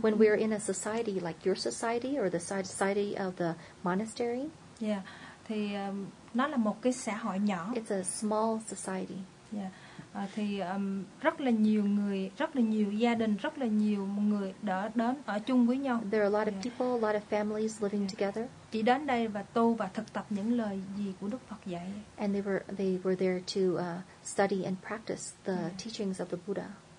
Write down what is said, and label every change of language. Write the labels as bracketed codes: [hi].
[en] When we are in a society like your society or the society of the monastery. Yeah. [vi] Thì nó là một cái xã hội nhỏ. [en] It's a small society. Yeah. [vi] Thì rất là nhiều người, rất là nhiều gia đình, rất là nhiều người đã đến ở chung với nhau. [en] There are a lot of people, a lot of families living together. [vi] Chỉ đến đây và tu và thực tập những lời gì của Đức Phật dạy. [en] And they were there to study and practice the teachings of the Buddha.